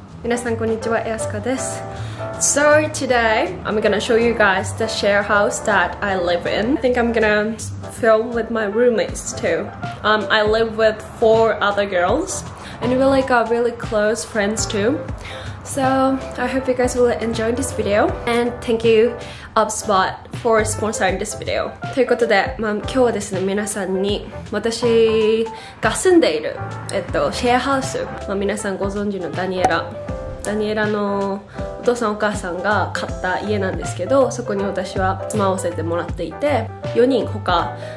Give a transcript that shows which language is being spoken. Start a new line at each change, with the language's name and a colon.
Japanese: 皆さんこんにちは、エアスカです。
English: So today, I'm gonna show you guys the share house that I live in. I think I'm gonna film with my roommates too. I live with four other girls. And we're like our really close friends too. So I hope you guys will enjoy this video. And thank you, OBSBOT, for sponsoring this video.
Japanese: ということで、まあ、今日はですね、皆さんに私が住んでいる、シェアハウス、まあ、皆さんご存知のダニエラのお父さんお母さんが買った家なんですけど、そこに私は住まわせてもらっていて、4人他